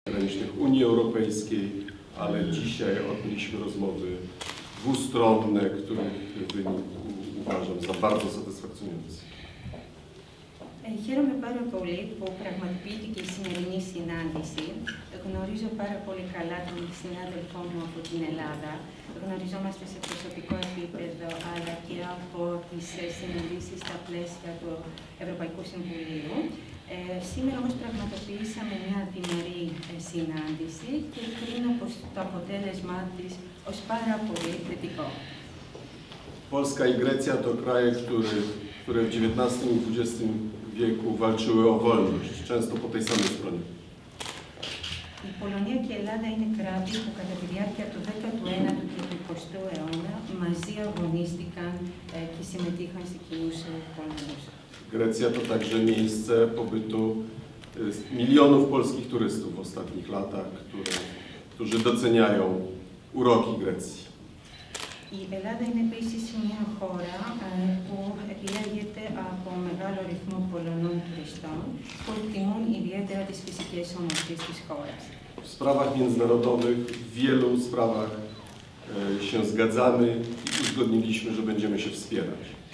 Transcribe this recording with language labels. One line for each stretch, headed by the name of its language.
Polish: politycznych Unii Europejskiej, ale dzisiaj odbyliśmy rozmowy dwustronne, których wynik uważam za bardzo satysfakcjonujący.
Greek: Χαίρομαι πάρα πολύ που πραγματοποιήθηκε η σημερινή συνάντηση. Γνωρίζω πάρα πολύ καλά τον συνάδελφό μου από την Ελλάδα. Γνωριζόμαστε σε προσωπικό επίπεδο, αλλά και από τις συνεντήσεις στα πλαίσια του Ευρωπαϊκού Συμβουλίου. Σήμερα όμως πραγματοποιήσαμε μια διμερή συνάντηση και κρίνω πως το αποτέλεσμά της ως πάρα πολύ θετικό.
Polish: Polska i Grecja to kraje, które w XIX i XX wieku walczyły o wolność, często po tej samej stronie.
Greek: I Polonia i Ελλάδα είναι κράτη που κατά τη διάρκεια του 19ου και του 20ου αιώνα μαζί αγωνίστηκαν και συμμετείχαν σε κοινούς πολέμους.
Polish: Grecja to także miejsce pobytu milionów polskich turystów w ostatnich latach, którzy doceniają uroki Grecji.
Greek: Η Ελλάδα είναι επίσης μια χώρα που επιλέγεται από μεγάλο ρυθμό Πολωνών τουριστών που εκτιμούν ιδιαίτερα τις φυσικές ομορφιές της χώρας.
Polish: W sprawach międzynarodowych, w wielu sprawach się zgadzamy i uzgodniliśmy, że będziemy się wspierać.